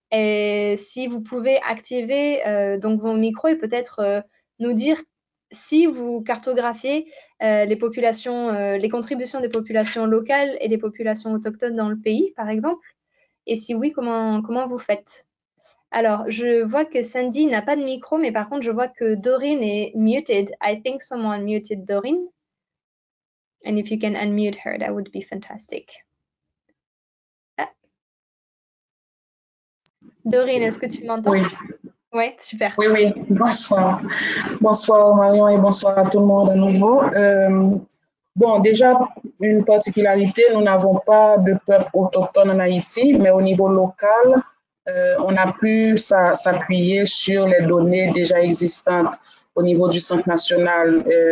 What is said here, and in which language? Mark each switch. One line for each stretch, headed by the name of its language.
French: Et si vous pouvez activer donc vos micros et peut-être nous dire si vous cartographiez les contributions des populations locales et des populations autochtones dans le pays, par exemple. Et si oui, comment vous faites? Alors, je vois que Sandy n'a pas de micro, mais par contre, je vois que Dorine est muted.
English: I think someone muted Dorine. And if you can unmute her, that would be fantastic. Ah.
French: Dorine, est-ce que tu m'entends? Oui. Oui, super. Oui, oui. Bonsoir. Bonsoir Marion et bonsoir à tout le monde à nouveau. Bon, déjà, une particularité, nous n'avons pas de peuple autochtone en Haïti, mais au niveau local, on a pu s'appuyer sur les données déjà existantes au niveau du Centre national,